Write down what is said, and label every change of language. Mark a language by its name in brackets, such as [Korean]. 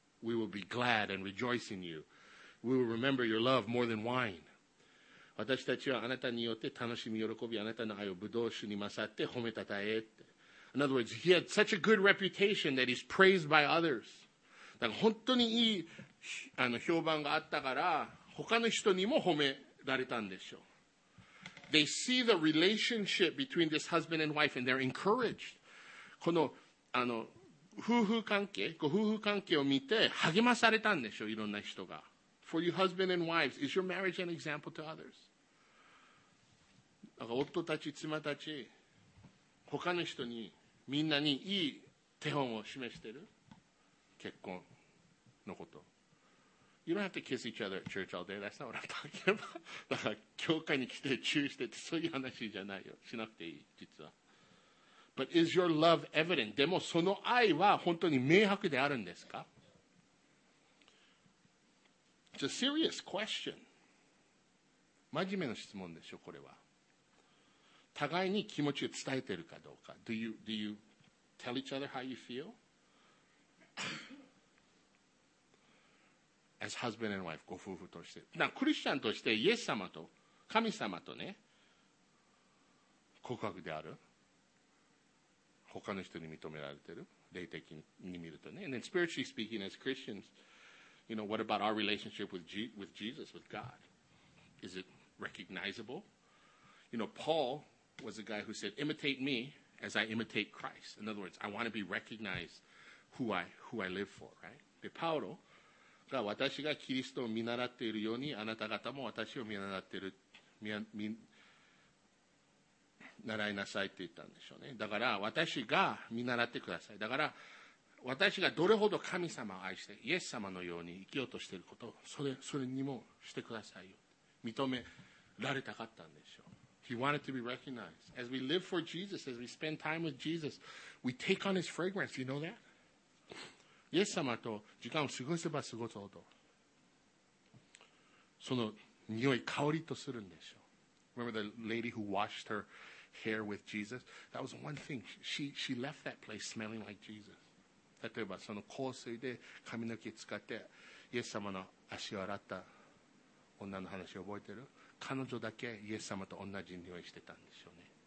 [English] We will be glad and rejoice in you. We will remember your love more than wine. [Japanese] 私たちはあなたによって楽しみ、喜び、あなたの愛をブドウ酒に勝って褒めたたえって。 [English] In other words, he had such a good reputation that he's praised by others. [Japanese] だから本当にいい評判があったから、他の人にも褒められたんでしょう。 [English] They see the relationship between this husband and wife and they're encouraged. [Japanese] この、夫婦関係、ご夫婦関係を見て励まされたんでしょう、いろんな人が。 [English] For you husband and wives, is your marriage an example to others? [Japanese] だから夫たち、妻たち、他の人に、みんなにいい手本を示してる。結婚のこと。 [English] You don't have to kiss each other at church all day. That's not what I'm talking about. [Japanese] だから教会に来てチューしてってそういう話じゃないよ。しなくていい、実は。 [English] But is your love evident? [Japanese] でもその愛は本当に明白であるんですか? [English] It's a serious question. [Japanese] 真面目な質問でしょ、これは。互いに気持ちを伝えてるかどうか。 [English] Do you tell each other how you feel? As husband and wife, [Japanese] ご夫婦として。なクリスチャンとして、イエス様と、神様とね、告白である。他の人に認められてる。霊的に見るとね。 [English] And then spiritually speaking, as Christians, you know, what about our relationship with Jesus, with God? Is it recognizable? You know, Paul was a guy who said, imitate me as I imitate Christ. In other words, I want to be recognized who I live for, right? [Japanese] で、パウロ、私がキリストを見習っているようにあなた方も私を見習っている習いなさいって言ったんでしょうね。だから私が見習ってください。だから私がどれほど神様を愛してイエス様のように生きようとしていることをそれにもしてくださいよ。認められたかったんでしょう。 [English] He wanted to be recognized. As we live for Jesus, as we spend time with Jesus, we take on his fragrance. You know that? [Japanese] イエス様と時間を過ごせば過ごすほどその匂い香りとするんでしょう。 [English] Remember the lady who washed her hair with Jesus? That was one thing. She left that place smelling like Jesus. [Japanese] 例えばその香水で髪の毛使ってイエス様の足を洗った女の話を覚えてる。彼女だけイエス様と同じ匂いしてたんでしょうね。